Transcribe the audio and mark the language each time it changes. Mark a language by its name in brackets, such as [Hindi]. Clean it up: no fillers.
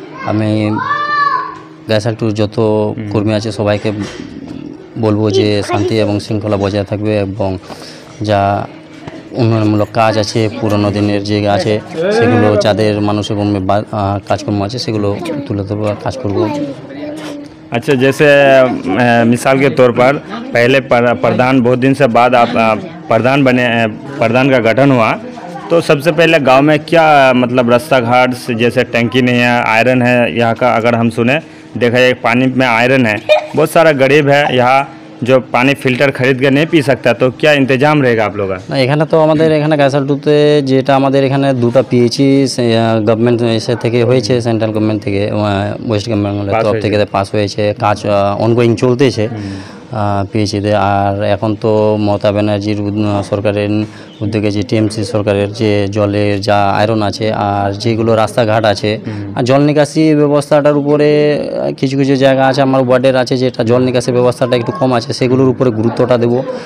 [Bangla] আমি গাইসাল টুর যত কর্মী আছে সবাইকে বলবো যে শান্তি এবং শৃঙ্খলা বজায় থাকবে, এবং যা উন্নয়নমূলক কাজ আছে পুরনো দিনের যে আছে সেগুলো, যাদের মানুষের মধ্যে কাজকর্ম আছে সেগুলো তুলে ধরবো আর কাজ করবো। [Hindi] अच्छा, जैसे मिसाल के तौर पर पहले प्रधान बहुत दिन से बाद आप प्रधान बने, प्रधान का गठन हुआ, तो सबसे पहले गांव में क्या मतलब रास्ता घाट, जैसे टंकी नहीं है, आयरन है यहाँ का, अगर हम सुने देखा जाए पानी में आयरन है, बहुत सारा गरीब है यहाँ जो पानी फिल्टर खरीद कर नहीं पी सकता, तो क्या इंतजाम रहेगा आप लोगों का? [Bangla] এখানে তো আমাদের এখানে গ্যাসাল টুতে যেটা আমাদের এখানে দুটো পিএইচসি গভর্নমেন্ট থেকে হয়েছে, সেন্ট্রাল গভর্নমেন্ট থেকে ওয়েস্ট বেঙ্গল থেকে পাস হয়েছে, কাজ অনগোয়িং চলতেছে পিএইচসিতে। আর এখন তো মমতা ব্যানার্জির সরকারের উদ্যোগে যে টিএমসি সরকারের যে জলের যা আয়রন আছে আর যেগুলো রাস্তাঘাট আছে আর জল নিকাশি ব্যবস্থাটার উপরে কিছু কিছু জায়গা আছে আমার ওয়ার্ডের আছে যেটা জল নিকাশি ব্যবস্থাটা একটু কম আছে, সেগুলোর উপরে গুরুত্বটা দেবো।